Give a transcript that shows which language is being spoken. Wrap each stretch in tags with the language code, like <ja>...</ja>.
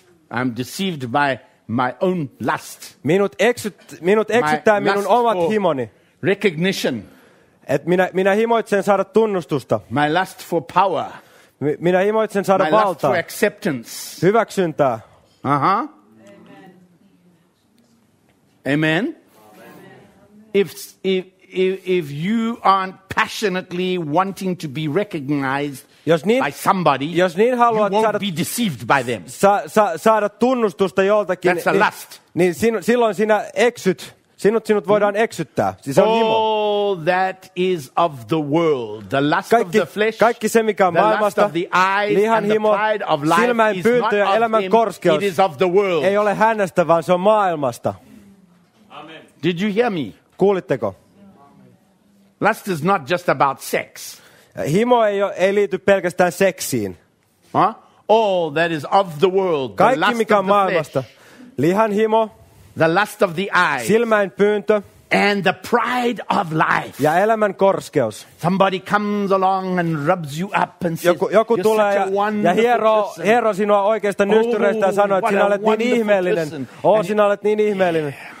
<en>I'm deceived by my own lust.</en> <fi>Minut eksyttää minun omat himoni.</fi> <en>Recognition.</en> <fi>Et minä himoitsen saada tunnustusta.</fi> <en>My lust for power.</en> <fi>Minä himoitsen saada</fi> <en>my</en> <fi>valtaa.</fi> <en>My lust for acceptance.</en> <fi>Hyväksyntää. Aha. Amen. Amen.</fi> <en>If you aren't passionately wanting to be recognized by somebody, you won't be deceived by them.</en> <fi>Saada tunnustusta joltakin.</fi> <en>That's a lust.</en> <fi>Silloin sinä eksyt. Sinut voidaan eksyttää. Siis on himo.</fi> <en>All that is of the world. The lust of the flesh.</en> <fi>Kaikki se, mikä on maailmasta.</fi> <en>The lust of the eyes</en> <fi>lihan and himo,</fi> <en>the pride of life</en> <fi>silmäin pyyntö ja elämän korskeus.</fi> <en>It is of the world.</en> <fi>Ei ole hänestä, vaan se on maailmasta.</fi> <en>Amen. Did you hear me?</en> <fi>Kuulitteko?</fi> <en>Lust is not just about sex.</en> <fi>Himo ei liity pelkästään seksiin.</fi> <en>Huh? All that is of the world.</en> <fi>Kaikki,</fi> <en>the lust</en> <fi>mikä on maailmasta. Lihan himo.</fi> <en>The lust of the eyes.</en> <fi>Silmäin pyyntö.</fi> <en>And the pride of life.</en> <fi>Ja elämän korskeus.</fi> <en>Somebody comes along and rubs you up and says,</en> <fi>joku tulee ja hiero sinua oikeasta nystyreistä ja sanoo, että sinä olet niin ihmeellinen. Oh, sinä olet niin ihmeellinen.</fi>